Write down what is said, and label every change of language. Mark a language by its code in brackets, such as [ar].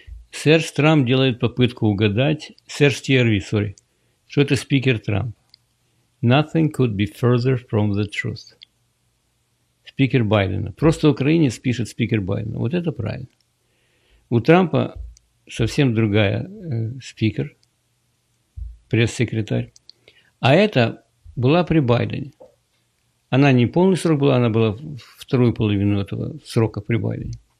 [ru] Серж Трамп делает попытку угадать. Серж Тьерви, sorry. Что это спикер Трамп? [en] Nothing could be further from the truth. [ru] Спикер Байдена. Просто украинец пишет спикер Байдена. Вот это правильно. У Трампа совсем другая спикер, пресс-секретарь. А это была при Байдене. Она не полный срок была, она была вторую половину этого срока при Байдене.